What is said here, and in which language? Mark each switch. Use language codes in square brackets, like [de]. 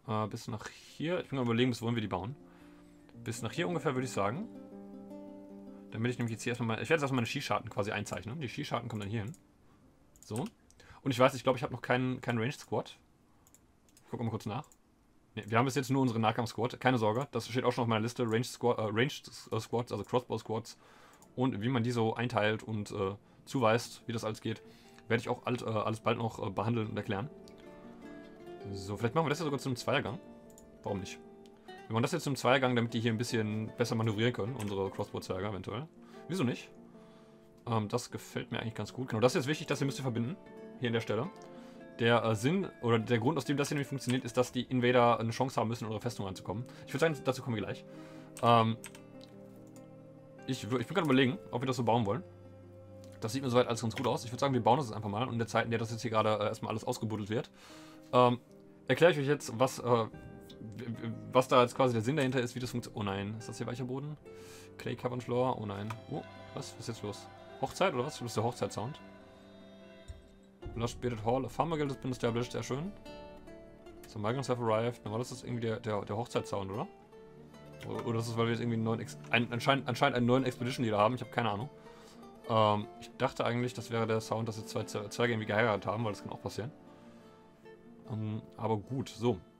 [de] Bis nach hier. Ich bin gerade überlegen, bis wollen wir die bauen. Bis nach hier ungefähr, würde ich sagen. Dann will ich nämlich jetzt hier erstmal mal, ich werde jetzt erstmal meine Skischarten quasi einzeichnen. Die Skischarten kommen dann hier hin. So. Und ich weiß, ich glaube, ich habe noch keinen Ranged Squad. Gucken wir mal kurz nach. Ne, wir haben bis jetzt nur unsere Nahkampf-Squad. Keine Sorge, das steht auch schon auf meiner Liste. Ranged Squads, also Crossbow-Squads. Und wie man die so einteilt und zuweist, wie das alles geht, werde ich auch alles bald noch behandeln und erklären. So, vielleicht machen wir das ja sogar zu einem Zweiergang. Warum nicht? Wir machen das jetzt zum Zweiergang, damit die hier ein bisschen besser manövrieren können, unsere Crossbow-Zweiger eventuell. Wieso nicht? Das gefällt mir eigentlich ganz gut. Genau, das ist jetzt wichtig, dass ihr müsst ihr verbinden, hier an der Stelle. Der Sinn oder der Grund, aus dem das hier nämlich funktioniert, ist, dass die Invader eine Chance haben müssen, in unsere Festung anzukommen. Ich würde sagen, dazu kommen wir gleich. Ich bin gerade überlegen, ob wir das so bauen wollen. Das sieht mir soweit alles ganz gut aus. Ich würde sagen, wir bauen das jetzt einfach mal. Und in der Zeit, in der das jetzt hier gerade erstmal alles ausgebuddelt wird, erkläre ich euch jetzt, was da jetzt quasi der Sinn dahinter ist, wie das funktioniert. Oh nein, ist das hier weicher Boden? Clay Cavern Floor, oh nein. Oh, was ist jetzt los? Hochzeit oder was? Das ist der Hochzeitssound. [en] Lush Bearded Hall, a Farmer Guild has been established, [de] sehr schön. [en] Some Migrants have arrived. [de] Normal ist das irgendwie der Hochzeitssound, oder? Oder ist das, weil wir jetzt irgendwie anscheinend einen neuen Expedition Leader haben? Ich habe keine Ahnung. Ich dachte eigentlich, das wäre der Sound, dass jetzt zwei Zwerge irgendwie geheiratet haben, weil das kann auch passieren. Aber gut, so.